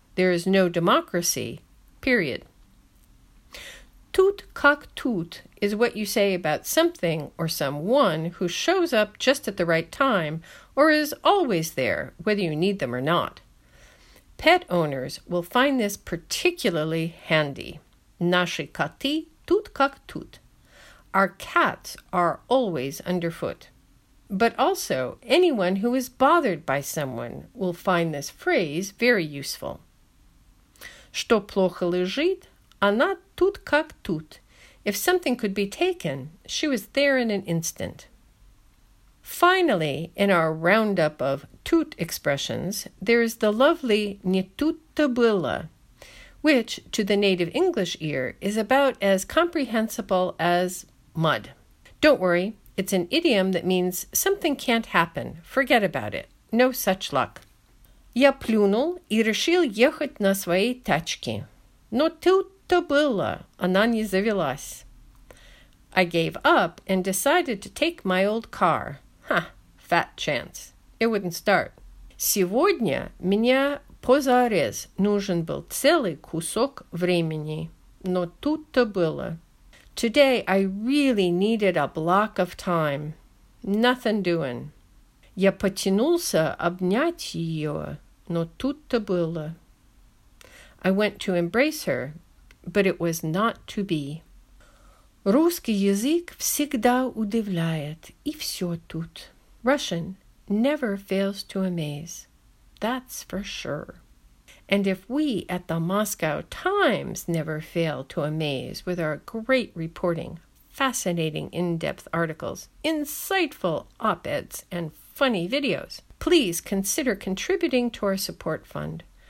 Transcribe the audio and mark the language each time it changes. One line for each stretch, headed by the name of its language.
English: There is no democracy, period. Тут как тут is what you say about something or someone who shows up just at the right time or is always there, whether you need them or not. Pet owners will find this particularly handy.
Russian: Наши коты тут как тут.
English: Our cats are always underfoot. But also, anyone who is bothered by someone will find this phrase very useful.
Russian: Что плохо лежит, она тут как тут.
English: If something could be taken, she was there in an instant. Finally, in our roundup of тут expressions, there is the lovely не тут-то было, which, to the native English ear, is about as comprehensible as mud. Don't worry, it's an idiom that means something can't happen, forget about it, no such luck.
Russian: Я плюнул и решил ехать на своей тачке. Но тут-то было, она не завелась.
English: I gave up and decided to take my old car. Ha, fat chance. It wouldn't start.
Russian: Сегодня меня позарез нужен был целый кусок времени. Но тут-то было.
English: Today I really needed a block of time. Nothing doing.
Russian: Я потянулся обнять ее. Но тут-то было.
English: I went to embrace her, but it was not to be.
Russian: Русский язык всегда удивляет, и все тут.
English: Russian never fails to amaze, that's for sure. And if we at the Moscow Times never fail to amaze with our great reporting, fascinating in-depth articles, insightful op-eds, and funny videos, please consider contributing to our support fund.